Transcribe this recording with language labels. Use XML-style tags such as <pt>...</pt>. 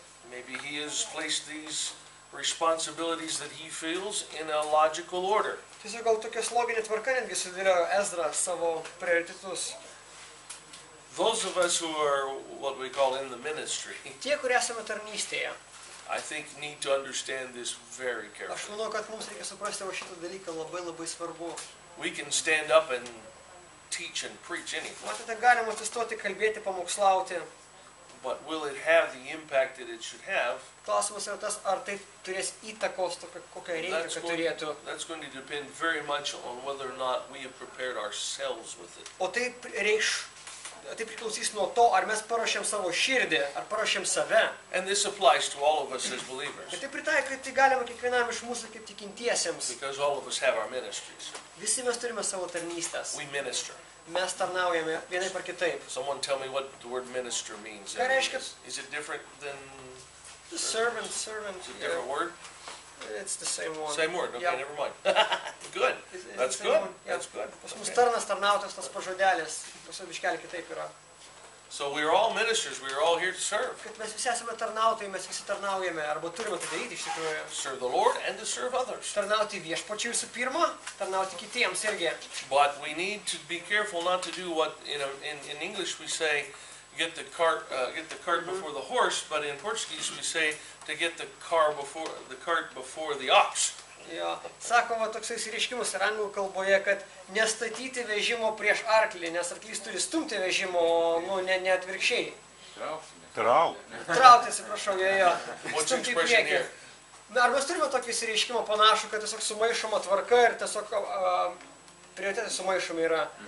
<en>Maybe he has placed these responsibilities that he feels in a logical order.</en> <lt>Tiesiog gal tokios loginė tvarka netgi sudėlėjo Ezra savo prioritetus.</lt> <en>Those of us who are what we call in the ministry.</en> <lt>Tie, kurie esame tarnystėje.</lt> <en>I think need to understand this very carefully.</en> <lt>Aš manau, kad mums reikia suprasti šitą dalyką labai labai svarbu.</lt> <en>We can stand up and teach and preach anything.</en> <lt>Matote, galima atsistoti, kalbėti, pamokslauti.</lt> <en>But will it have the impact that it should have?</en> <lt>Klausimas yra tas, ar tai turės įtakos, kokią reikia, kad turėtų.</lt> <en>That's going to depend very much on whether or not we have prepared ourselves with it.</en> <lt>O tai reiš, tai priklausys nuo to, ar mes paruošėm savo širdį, ar paruošėm save.</lt> <en>And this applies to all of us as believers.</en> <lt>Bet tai pritaikyti galima kiekvienam iš mūsų kaip tikintiesiems.</lt> <en>Because all of us have our ministries.</en> <lt>Visi mes turime savo tarnystės.</lt> <en>We minister.</en> <lt>Mes tarnaujame vienai par kitaip.</lt> <en>Someone tell me what the word minister means.</en> <lt>Ką reiškia?</lt> <en>Is it different than the servant? Is it a different word? It's the same one. Same word, okay, yep. Never mind. Good, that's good, that's good.</en> <lt>Pas mus tarnas, tarnautas, tas pažodelis, pas viškelį kitaip yra.</lt> <en>So we are all ministers, we are all here to serve.</en> <lt>Kad mes visi esame tarnautojai, mes visi tarnaujame, arba turime tai daryti iš tikrųjų.</lt> <en>Serve the Lord and to serve others.</en> <lt>Tarnauti viešpačiui visų pirma, tarnauti kitiems irgi.</lt> <en>But we need to be careful not to do what, in English we say, get the cart mm-hmm. before the horse, but in Portuguese we say to get the cart before the ox.</en> <lt>Jo, sakoma toks įsireiškimas ir anglų kalboje, kad nestatyti vežimo prieš arklį, nes arklys turi stumti vežimo, nu, ne atvirkščiai. Trauti, atsiprašau, jo. Stumti į priekį. Na, ar mes turime tokį įsireiškimą panašų, kad tiesiog sumaišoma tvarka ir tiesiog prioritetai sumaišomi yra?</lt>